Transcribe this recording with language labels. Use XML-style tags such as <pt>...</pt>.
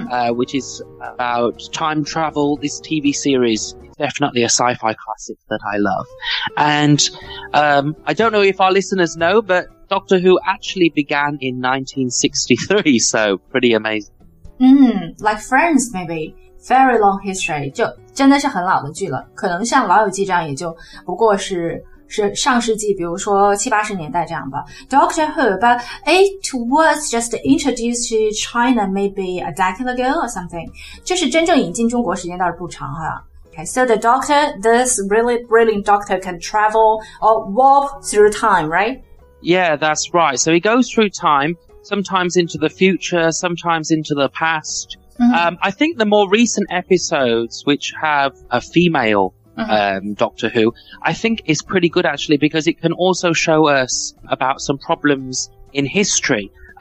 <en>Which is about time travel. This TV series is definitely a sci-fi classic that I love. And I don't know if our listeners know, but Doctor Who actually began in 1963, so pretty amazing. Like Friends, maybe. Very long history.</en> <zh>就真的是很老的剧了。可能像老友记这样也就不过是上世纪，比如说七八十年代这样吧。</zh> <en>Doctor Who, but it was just introduced to China maybe a decade ago or something.</en> <zh>就是真正引进中国时间倒是不长哈。</zh> <en>Okay, so the Doctor, this really brilliant Doctor, can travel or walk through time, right? Yeah, that's right. So he goes through time, sometimes into the future, sometimes into the past. I think the more recent episodes, which have a female Doctor Who, I think is pretty good actually because it can also show us about some problems in history.</en>